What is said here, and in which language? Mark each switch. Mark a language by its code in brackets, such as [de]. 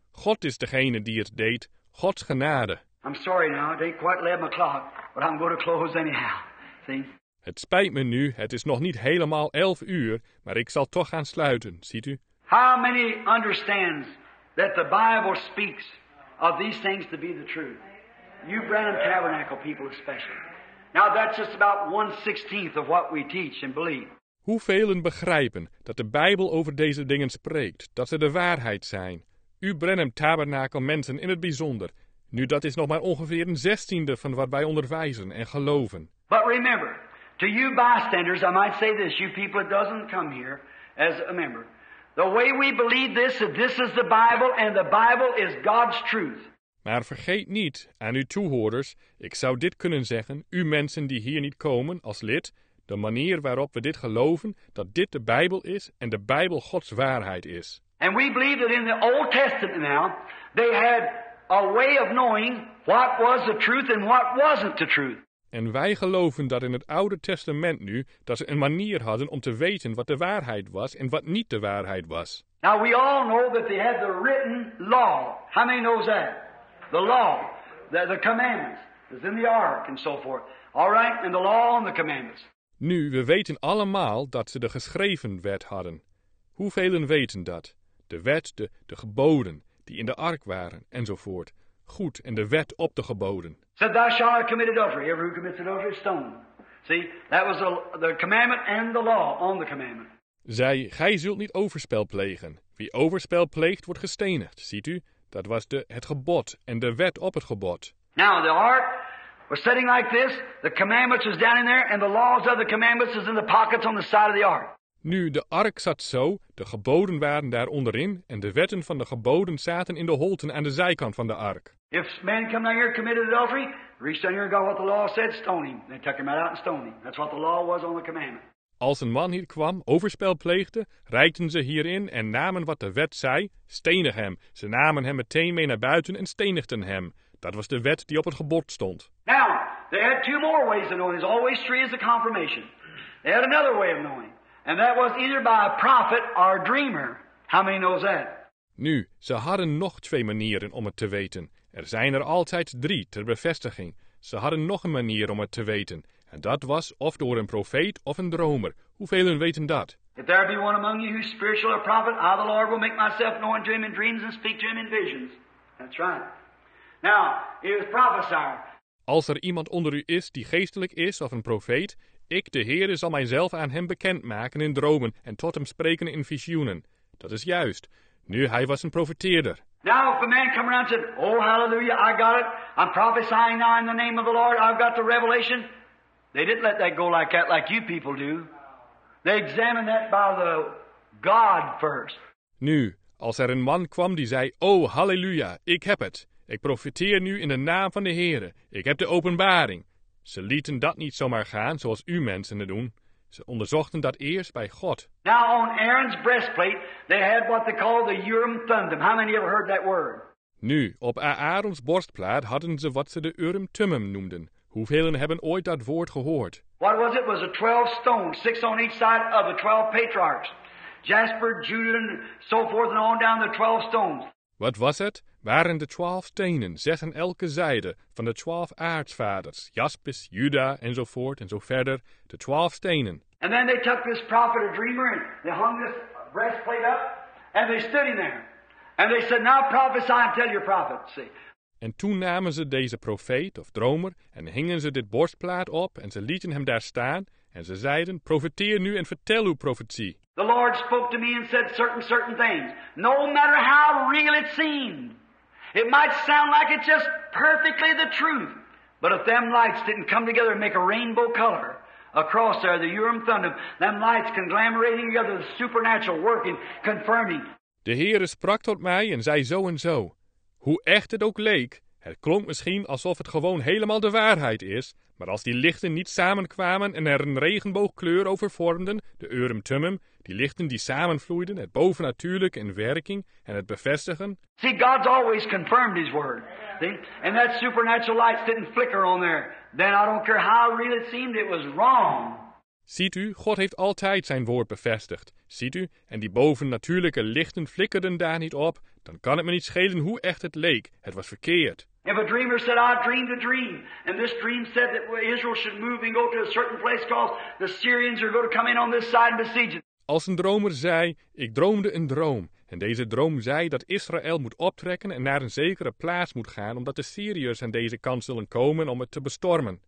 [nl] God is degene die het deed. Gods genade. [en] I'm sorry now, it ain't quite 11 o'clock, but I'm going to close anyhow. See? [nl] Het spijt me nu, het is nog niet helemaal 11 uur, maar ik zal toch gaan sluiten, ziet u? [en] How many understands that the Bible speaks of these things to be the truth? You Branham Tabernacle people especially. Now that's just about 1/16 of what we teach and believe. [nl] Hoeveelen begrijpen dat de Bijbel over deze dingen spreekt, dat ze de waarheid zijn? U Branham Tabernacle mensen in het bijzonder. Nu, dat is nog maar ongeveer 1/16 van wat wij onderwijzen en geloven. [en] But remember, To you bystanders, I might say this, you people that doesn't come here as a member. The way we believe this, that this is the Bible and the Bible is God's truth. [nl] Maar vergeet niet aan uw toehoorders, ik zou dit kunnen zeggen, u mensen die hier niet komen als lid, de manier waarop we dit geloven, dat dit de Bijbel is en de Bijbel Gods waarheid is. [en] And we believe that in the Old Testament now, they had a way of knowing what was the truth and what wasn't the truth. [nl] En wij geloven dat in het Oude Testament nu, dat ze een manier hadden om te weten wat de waarheid was en wat niet de waarheid was. [en] Now we all know that they had the written law. How many knows that? The law, the commandments, is in the ark and so forth. All right, and the law and the commandments. [nl] Nu, we weten allemaal dat ze de geschreven wet hadden. Hoeveelen weten dat? De wet, de geboden, die in de ark waren, enzovoort. Goed, en de wet op de geboden. [en] Said, thou shalt have committed adultery. Every who commits adultery is stoned. See, that was the commandment and the law on the commandment. [nl] Zij, gij zult niet overspel plegen. Wie overspel pleegt, wordt gestenigd, ziet u? Dat was het gebod en de wet op het gebod. [en] Now the ark was sitting like this. The commandments was down in there, and the laws of the commandments is in the pockets on the side of the ark. [nl] Nu de ark zat zo, de geboden waren daar onderin, en de wetten van de geboden zaten in de holten aan de zijkant van de ark. [en] If man come down here committed adultery, reached down here and got what the law said, stone him. They took him out and stoned him. That's what the law was on the commandment. [nl] Als een man hier kwam, overspel pleegde, reikten ze hierin en namen wat de wet zei, stenig hem. Ze namen hem meteen mee naar buiten en stenigden hem. Dat was de wet die op het gebod stond. [en] Now, they had two more ways of knowing. There's always three as a confirmation. They had another way of knowing. And that was either by a prophet or a dreamer. How many knows that? [nl] Nu, ze hadden nog twee manieren om het te weten. Er zijn er altijd drie ter bevestiging. Ze hadden nog een manier om het te weten. En dat was of door een profeet of een dromer. Hoeveelen weten dat? [en] If there be one among you who is spiritual or prophet, I the Lord will make myself known to him in dreams and speak to him in visions. That's right. Now, he is prophesier. [nl] Als er iemand onder u is die geestelijk is of een profeet, ik de Heere zal mijzelf aan hem bekendmaken in dromen en tot hem spreken in visioenen. Dat is juist. Nu, hij was een profeteerder. [en] Now, if a man come around and said, oh hallelujah, I got it. I'm prophesying now in the name of the Lord. I've got the revelation. They didn't let that go like that, like you people do. They examined that by the God first. [nl] Nu, als er een man kwam die zei, oh halleluja, ik heb het. Ik profiteer nu in de naam van de Heere. Ik heb de openbaring. Ze lieten dat niet zomaar gaan, zoals u mensen het doen. Ze onderzochten dat eerst bij God. [en] Now on Aaron's breastplate, they had what they call the Urim Thummim. How many ever heard that word? [nl] Nu, op Aaron's borstplaat hadden ze wat ze de Urim Thummim noemden. Hoeveelen hebben ooit dat woord gehoord? [en] What was it? Was a 12 stones, 6 on each side of the 12 patriarchs. Jasper, Judah, and so forth and on down the 12 stones. [nl] Wat was het? Waren de 12 stenen, 6 aan elke zijde, van de 12 aartsvaders. Jaspis, Judah, enzovoort, en zo verder, de 12 stenen. [en] And then they took this prophet, a dreamer, and they hung this breastplate up, and they stood in there. And they said, now prophesy and tell your prophet, see. [nl] En toen namen ze deze profeet of dromer en hingen ze dit borstplaat op en ze lieten hem daar staan en ze zeiden, profeteer nu en vertel uw profetie. [en] The Lord spoke to me and said certain things. No matter how real it seemed, it might sound like it's just perfectly the truth. But if them lights didn't come together and make a rainbow color across there, the Urim Thummim, them lights conglomerating together, the supernatural working, confirming. [nl] De Heere sprak tot mij en zei zo en zo. Hoe echt het ook leek, het klonk misschien alsof het gewoon helemaal de waarheid is, maar als die lichten niet samenkwamen en er een regenboogkleur over vormden, de Urim Thummim, die lichten die samenvloeiden, het bovennatuurlijke in werking en het bevestigen. [en] See, God's always confirmed his word. See? And that supernatural light didn't flicker on there. Then I don't care how real it seemed, it was wrong. [nl] Ziet u, God heeft altijd zijn woord bevestigd. Ziet u, en die bovennatuurlijke lichten flikkerden daar niet op, dan kan het me niet schelen hoe echt het leek. Het was verkeerd. [en] If a dreamer said, I dreamed a dream, and this dream said that Israel should move and go to a certain place called the Syrians are going to come in on this side and besiege it. [nl] Als een dromer zei, ik droomde een droom, en deze droom zei dat Israël moet optrekken en naar een zekere plaats moet gaan, omdat de Syriërs aan deze kant zullen komen om het te bestormen.